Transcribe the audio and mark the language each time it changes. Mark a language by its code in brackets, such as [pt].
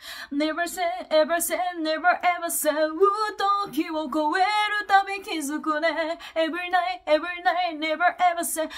[en] Never say, ever say, never ever say. [ja] 時を超えるたび気づくね。 [en] Every night, every night, never ever say.